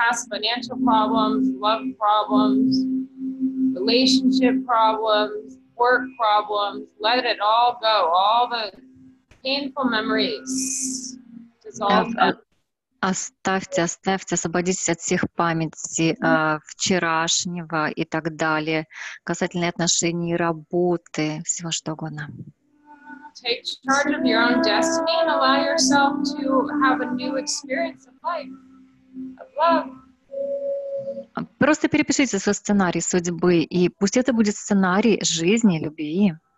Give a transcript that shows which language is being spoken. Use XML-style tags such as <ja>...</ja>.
<en>Financial problems, love problems, relationship problems, work problems, let it all go, all the painful memories dissolve them.</en> <ru>Оставьте, оставьте, освободитесь от всех памяти вчерашнего и так далее, касательно отношений, работы, всего что угодно.</ru> <en>Take charge of your own destiny and allow yourself to have a new experience of life, of love.</en> <ru>Просто перепишите свой сценарий судьбы, и пусть это будет сценарий жизни, любви.</ru>